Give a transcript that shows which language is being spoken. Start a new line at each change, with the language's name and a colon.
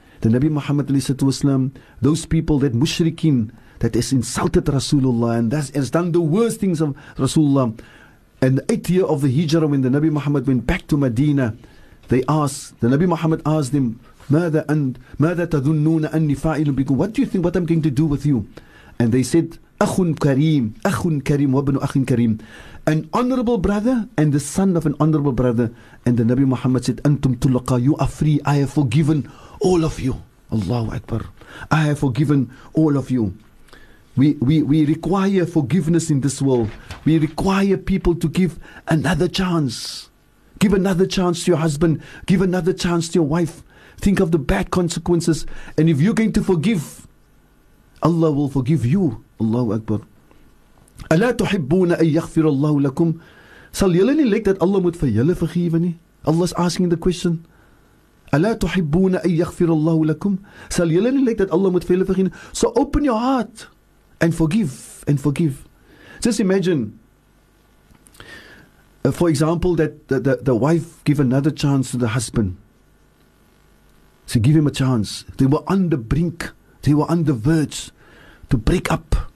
English: The Nabi Muhammad, wasalam, those people that mushrikin, that has insulted Rasulullah and that has done the worst things of Rasulullah. And the 8th year of the Hijrah, when the Nabi Muhammad went back to Medina, the Nabi Muhammad asked them,
Arabic: ماذا تظنون أني فاعل بكم?
English: What do you think, what I'm going to do with you? And they said,
Arabic: أخ كريم وابن أخ كريم.
English: An honorable brother and the son of an honorable brother. And the Nabi Muhammad said,
Arabic: أنتم طلقاء,
English: you are free, I have forgiven all of you. Allahu Akbar. I have forgiven all of you. We require forgiveness in this world. We require people to give another chance. Give another chance to your husband. Give another chance to your wife. Think of the bad consequences. And if you're going to forgive, Allah will forgive you.
Arabic: Allahu Akbar. Allah tuhibbuna an yaghfira Allahu lakum.
Afrikaans: Sal jylle nie like that Allah moet vir jylle vergewe nie?
English: Allah is asking the question.
Arabic: Allah tuhibbuna an yaghfira Allahu lakum.
Afrikaans: Sal jylle nie like that Allah moet vir jylle vergewe nie?
English: So open your heart. And forgive. Just imagine, for example, that the wife give another chance to the husband. She give him a chance. They were on the brink. They were on the verge to break up.